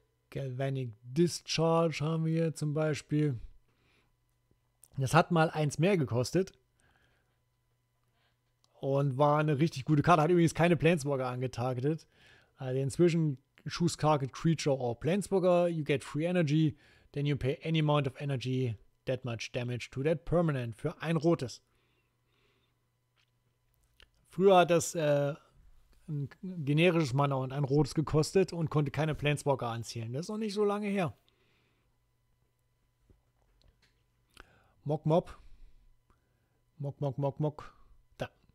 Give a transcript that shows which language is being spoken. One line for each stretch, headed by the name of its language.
German: Galvanic Discharge haben wir hier zum Beispiel. Das hat mal eins mehr gekostet. Und war eine richtig gute Karte. Hat übrigens keine Planeswalker angetargetet. Also inzwischen
English: choose target creature or Planeswalker. You get free energy. Then you pay any amount of energy that much damage to that permanent.
German: Für ein rotes. Früher hat das ein generisches Mana und ein rotes gekostet und konnte keine Planeswalker anzielen. Das ist noch nicht so lange her. Mok Mok. Mok Mok Mok Mok. Da.